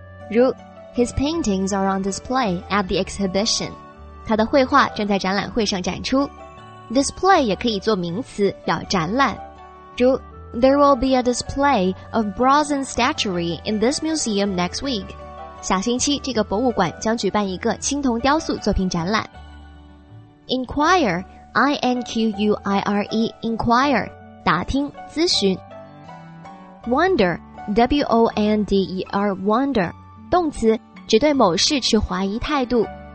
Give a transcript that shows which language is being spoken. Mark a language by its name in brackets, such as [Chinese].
[Chinese] 如 [English] His paintings are on display at the exhibition. [Chinese] 他的绘画正在展览会上展出。 Display 也可以做名词，表展览。如 [English] There will be a display of bronze statuary in this museum next week. [Chinese] 下星期这个博物馆将举办一个青铜雕塑作品展览。 [English] Inquire, I-N-Q-U-I-R-E, inquire, [Chinese] 打听、咨询。 Wonder, W-O-N-D-E-R, wonder, 动词，只对某事持怀疑态度。